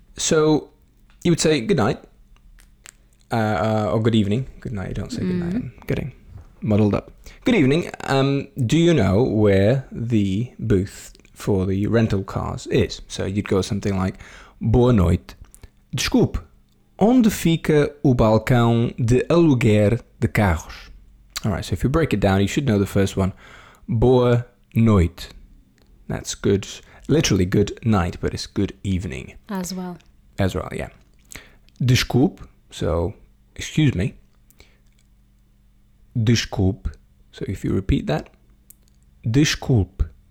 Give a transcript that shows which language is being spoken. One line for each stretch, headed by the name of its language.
English: So, you would say good night, or good evening. Good night, you don't say good night. I'm getting muddled up. Good evening. Do you know where the booth for the rental cars is? So, you'd go something like,
Portuguese: boa noite. Desculpe, onde fica o balcão de aluguer de carros?
English: All right, so if you break it down, you should know the first one. Boa noite. That's good. Literally, good night, but it's good evening. As well. As well, yeah. Desculpe, so excuse me. Desculpe, so if you repeat that. Desculpe.